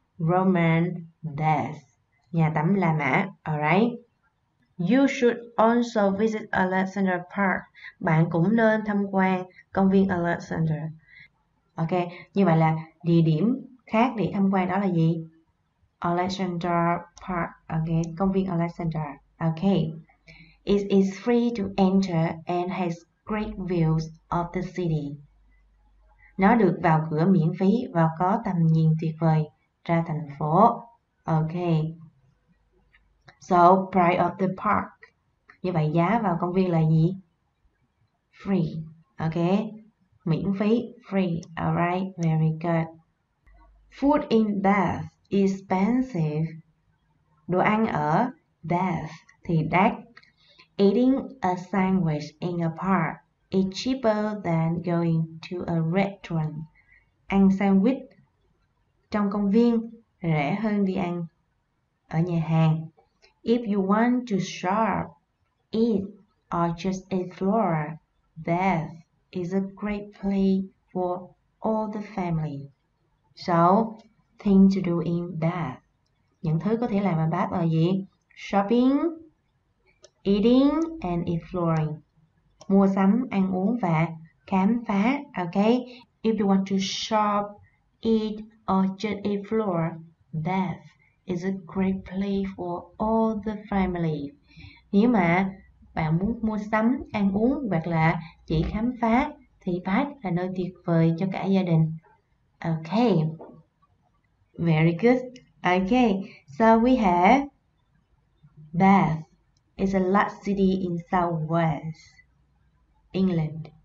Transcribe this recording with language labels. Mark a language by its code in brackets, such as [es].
[en] Roman baths. [vi] Nhà tắm La Mã. Alright. [en] You should also visit Alexander Park. [vi] Bạn cũng nên tham quan công viên Alexander. Ok. Như vậy là địa điểm khác để tham quan đó là gì? Alexander Park. Ok. Công viên Alexander. Ok. [en] It is free to enter and has great views of the city. [vi] Nó được vào cửa miễn phí và có tầm nhìn tuyệt vời ra thành phố. Ok. [en] So, price of the park. [vi] Như vậy giá vào công viên là gì? [en] Free. Ok. [vi] Miễn phí. [en] Free. Alright. Very good. Food in Bath is expensive. [vi] Đồ ăn ở Bath thì đắt. [en] Eating a sandwich in a park. It's cheaper than going to a restaurant. [vi] Ăn sandwich trong công viên rẻ hơn đi ăn ở nhà hàng. [en] If you want to shop, eat, or just explore, Bath is a great place for all the family. So, things to do in Bath. [vi] Những thứ có thể làm ở Bath là gì? [en] Shopping, eating, and exploring. [vi] Mua sắm, ăn uống và khám phá, okay? [en] If you want to shop, eat, or just explore, Bath is a great place for all the family. [vi] Nếu mà bạn muốn mua sắm, ăn uống hoặc là chỉ khám phá, thì Bath là nơi tuyệt vời cho cả gia đình. [en] Okay, very good. Okay, so we have Bath is a large city in South West England.